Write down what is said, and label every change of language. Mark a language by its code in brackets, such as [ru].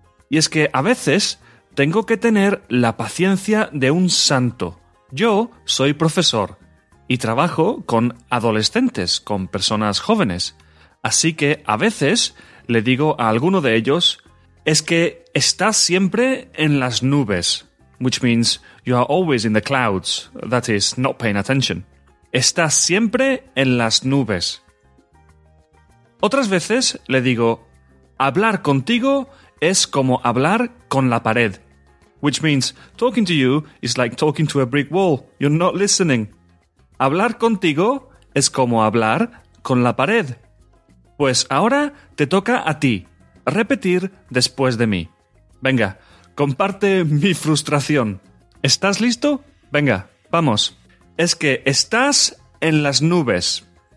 [es] Y es que a veces tengo que tener la paciencia de un santo. Yo soy profesor y trabajo con adolescentes, con personas jóvenes. Así que a veces le digo a alguno de ellos, es que estás siempre en las nubes. [en] Which means you are always in the clouds, that is, not paying attention. [es] Estás siempre en las nubes. Otras veces le digo, hablar contigo es como hablar con la pared. [en] Which means, talking to you is like talking to a brick wall. You're not listening. [es] Hablar contigo es como hablar con la pared. Pues ahora te toca a ti. Repetir después de mí. Venga, comparte mi frustración. ¿Estás listo? Venga, vamos. Es que estás en las nubes.